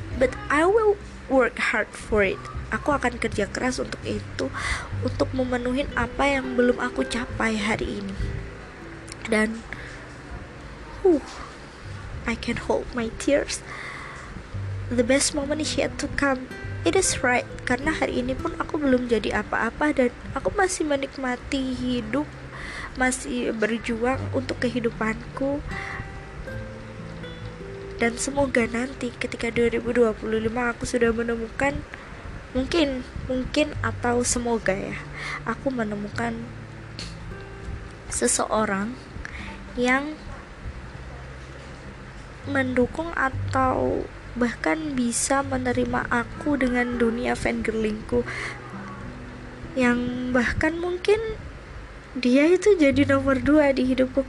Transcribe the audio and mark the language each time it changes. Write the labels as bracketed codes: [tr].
[en] But I will work hard for it. [id] Aku akan kerja keras untuk itu, untuk memenuhin apa yang belum aku capai hari ini. Dan [en] I can hold my tears. The best moment is yet to come. It is right, [id] karena hari ini pun aku belum jadi apa-apa dan aku masih menikmati hidup, masih berjuang untuk kehidupanku. Dan semoga nanti ketika 2025 aku sudah menemukan, mungkin atau semoga ya, aku menemukan seseorang yang mendukung atau bahkan bisa menerima aku dengan dunia fangirlingku, yang bahkan mungkin dia itu jadi nomor 2 di hidupku.